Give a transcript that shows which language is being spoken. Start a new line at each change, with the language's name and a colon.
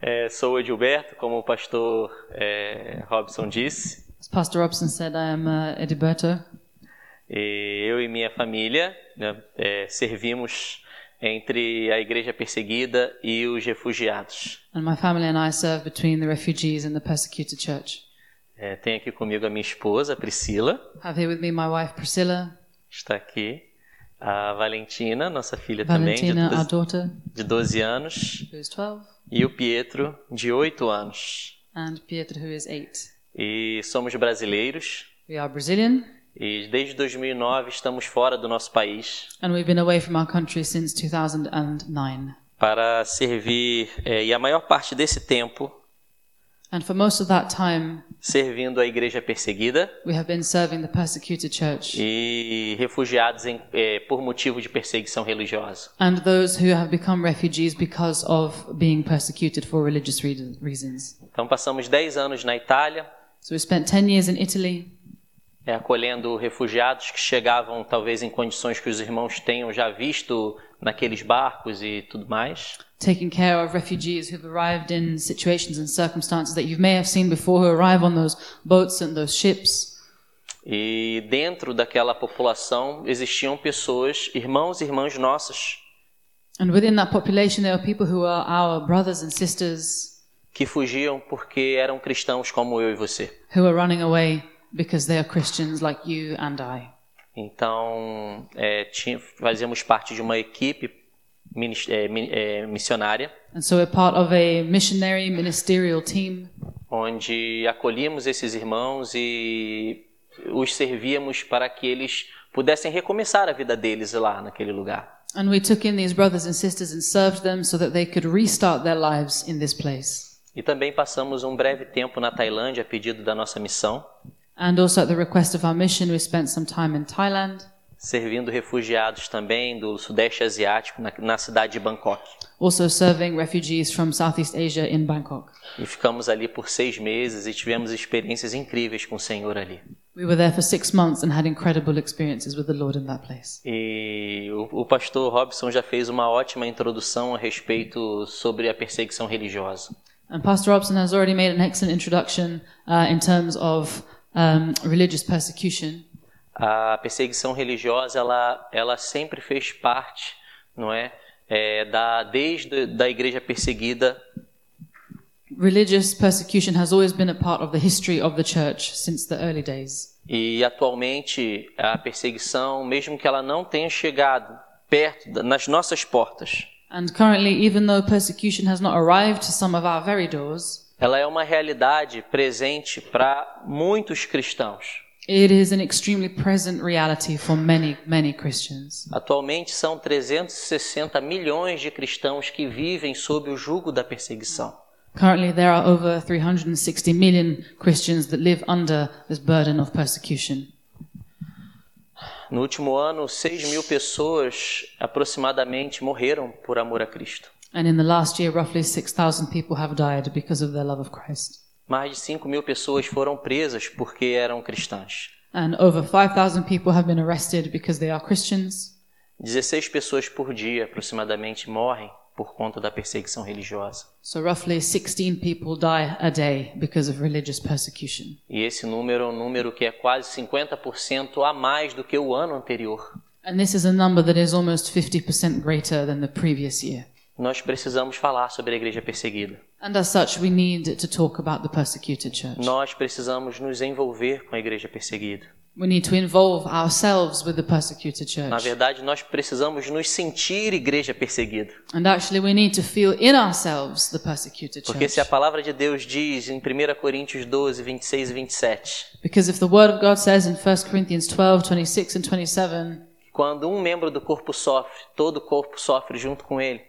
Portuguese: Sou Edilberto, como o pastor Robson disse.
English: As Pastor Robson said, I am Edilberto.
Portuguese: Eu e minha família servimos entre a igreja perseguida e os refugiados.
English: And my family and I serve between the refugees and the persecuted church.
Portuguese: Tenho aqui comigo a minha esposa, Priscila.
English: Have here with me my wife, Priscilla.
Portuguese: Está aqui. A Valentina, nossa filha
English: Valentina,
Portuguese: também,
English: our daughter,
Portuguese: de 12 anos.
English: Who is 12.
Portuguese: E o Pietro, de 8 anos.
English: And Pietro, who is 8.
Portuguese: E somos brasileiros.
English: We are Brazilian.
Portuguese: E desde 2009 estamos fora do nosso país.
English: And we've been away from our country since 2009.
Portuguese: Para servir, e a maior parte desse tempo...
English: And for most of that time,
Portuguese: servindo a igreja perseguida,
English: we have been serving the persecuted church,
Portuguese: e refugiados por motivo de perseguição religiosa.
English: And those who have become refugees because of being persecuted for religious reasons.
Portuguese: Então passamos 10 anos na Itália.
English: So we spent 10 years in Italy,
Portuguese: acolhendo refugiados que chegavam talvez em condições que os irmãos tenham já visto naqueles barcos e tudo mais.
English: Taking care of refugees who've arrived in situations and circumstances that you may have seen before who arrive on those boats and those ships.
Portuguese: E dentro daquela população existiam pessoas, irmãos e irmãs nossas.
English: And within that population there are people who are our brothers and sisters.
Portuguese: Que fugiam porque eram cristãos como eu e você.
English: Who are running away because they are Christians like you and I.
Portuguese: Então, fazíamos parte de uma equipe missionária.
English: And so we're part of a missionary ministerial team.
Portuguese: Onde acolhíamos esses irmãos e os servíamos para que eles pudessem recomeçar a vida deles lá naquele lugar.
English: And we took in these brothers and sisters and served them so that they could restart their lives in this place.
Portuguese: E também passamos um breve tempo na Tailândia a pedido da nossa missão.
English: And also at the request of our mission, we spent some time in Thailand.
Portuguese: Servindo refugiados também do Sudeste Asiático na cidade de Bangkok.
English: Also serving refugees from Southeast Asia in Bangkok.
Portuguese: E ficamos ali por 6 meses e tivemos experiências incríveis com o Senhor ali.
English: We were there for 6 months and had incredible experiences with the Lord in that place.
Portuguese: E o pastor Robson já fez uma ótima introdução a respeito sobre a perseguição religiosa.
English: And Pastor Robson has already made an excellent introduction in terms of religious persecution.
Portuguese: A perseguição religiosa, ela sempre fez parte, não é? Desde da igreja perseguida.
English: Religious persecution has always been a part of the history of the church since the early days.
Portuguese: E atualmente a perseguição, mesmo que ela não tenha chegado perto nas nossas portas.
English: And currently, even though persecution has not arrived to some of our very doors,
Portuguese: ela é uma realidade presente para muitos cristãos.
English: It is an extremely present reality for many, many Christians.
Portuguese: Atualmente são 360 milhões de cristãos que vivem sob o jugo da perseguição.
English: Currently there are over 360 million Christians that live under this burden of persecution.
Portuguese: No último ano, 6 mil pessoas aproximadamente morreram por amor a Cristo.
English: And in the last year roughly 6,000 people have died because of their love of Christ.
Portuguese: Mais de 5 mil pessoas foram presas porque eram cristãs.
English: And over 5,000 people have been arrested because they are Christians.
Portuguese: 16 pessoas por dia aproximadamente morrem por conta da perseguição religiosa.
English: So roughly 16 people die a day because of religious persecution.
Portuguese: E esse número é um número que é quase 50% a mais do que o ano anterior.
English: And this is a number that is almost 50% greater than the previous year.
Portuguese: Nós precisamos falar sobre a igreja perseguida.
English: And as such, we need to talk about the persecuted church.
Portuguese: Nós precisamos nos envolver com a igreja perseguida.
English: We need to involve ourselves with the persecuted church.
Portuguese: Na verdade, nós precisamos nos sentir igreja perseguida.
English: And actually, we need to feel in ourselves the persecuted church.
Portuguese: Porque se a palavra de Deus diz em 1 Coríntios 12, 26 e 27.
English: Because if the word of God says in 1 Corinthians 12, 26 and 27.
Portuguese: Quando um membro do corpo sofre, todo o corpo sofre junto com ele.